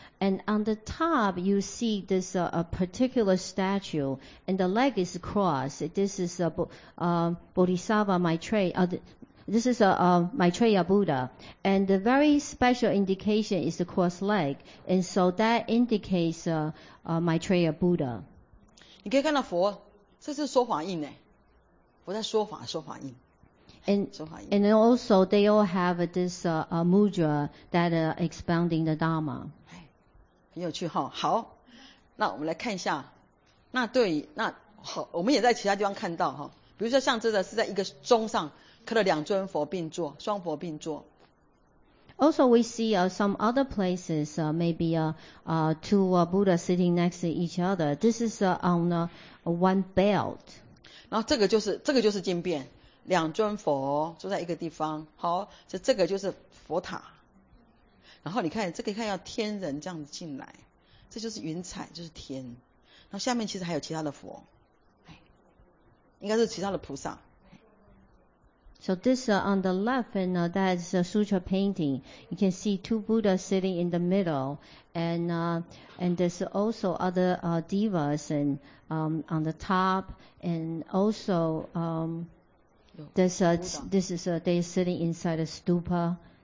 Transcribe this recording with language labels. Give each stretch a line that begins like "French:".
English: And on the top, you see this a particular statue, and the leg is crossed. This is Bodhisattva Maitreya. This is Maitreya Buddha. And the very special indication is the crossed leg. And so that indicates Maitreya Buddha.
Chinese: 你可以看到佛，这是说法印呢，佛在说法，说法印。
English: And also they all have this mudra that expounding the Dharma.
Chinese: 很有趣哈、哦。好，那我们来看一下。那对，那好，我们也在其他地方看到哈、哦。比如说像这个是在一个钟上刻了两尊佛并坐，双佛并坐。
English: Also we see some other places, maybe two Buddha sitting next to each other. This is on one belt.
Chinese: 然后这个就是经变。两尊佛坐在一个地方，好，这个就是佛塔。然后你看，这个看要天人这样子进来，这就是云彩，就是天。然后下面其实还有其他的佛，应该是其他的菩萨。
English: So this on the left, and that is a sutra painting. You can see two Buddha sitting in the middle, and there's also other divas and on the top, and also they're sitting inside a stupa.